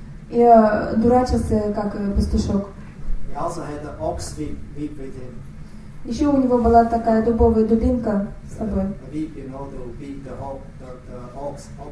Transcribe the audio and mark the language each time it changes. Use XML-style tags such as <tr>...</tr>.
<ru>И дурачился, как пастушок.</ru> <en>He also had an ox whip with him.</en> <ru>Еще у него была такая дубовая дубинка с собой.</ru> <en>The whip, you know, they'll beat the ox.</en>